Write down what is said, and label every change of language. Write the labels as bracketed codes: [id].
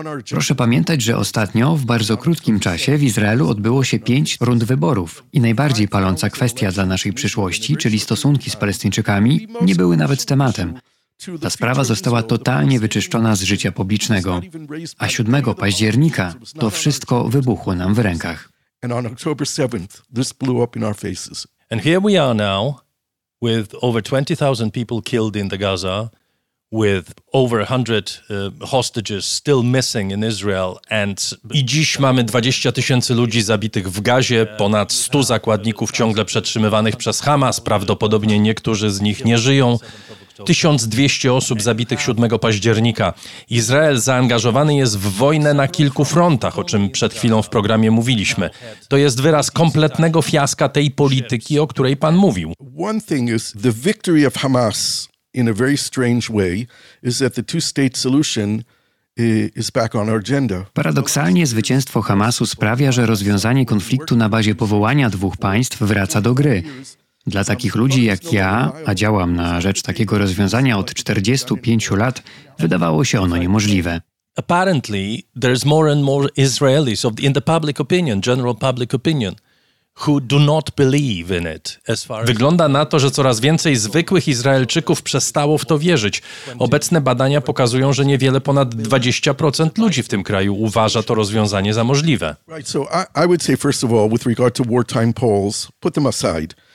[pl] Proszę pamiętać, że ostatnio w bardzo krótkim czasie w Izraelu odbyło się 5 rund wyborów i najbardziej paląca kwestia dla naszej przyszłości, czyli stosunki z Palestyńczykami, nie były nawet tematem. Ta sprawa została totalnie wyczyszczona z życia publicznego. A 7 października to wszystko wybuchło nam w rękach. [en] And here we are now with over 20,000 people killed in the Gaza, with over 100 hostages still missing in Israel and [pl] i dziś mamy 20 tysięcy ludzi zabitych w Gazie, ponad 100 zakładników ciągle przetrzymywanych przez Hamas, prawdopodobnie niektórzy z nich nie żyją. 1200 osób zabitych 7 października. Izrael zaangażowany jest w wojnę na kilku frontach, o czym przed chwilą w programie mówiliśmy. To jest wyraz kompletnego fiaska tej polityki, o której pan mówił. [en] One thing is the victory of Hamas in a very strange way is that the two-state solution is back on our agenda. [pl] Paradoksalnie zwycięstwo Hamasu sprawia, że rozwiązanie konfliktu na bazie powołania dwóch państw wraca do gry. Dla takich ludzi jak ja, a działam na rzecz takiego rozwiązania od 45 lat, wydawało się ono niemożliwe. [en] Apparently there's more and more Israelis of the, in the public opinion, general public opinion, who do not believe in it. [pl] Wygląda na to, że coraz więcej zwykłych Izraelczyków przestało w to wierzyć. Obecne badania pokazują, że niewiele ponad 20% ludzi w tym kraju uważa to rozwiązanie za możliwe. [en] Right, so I would say first of all with regard to wartime polls, put them aside.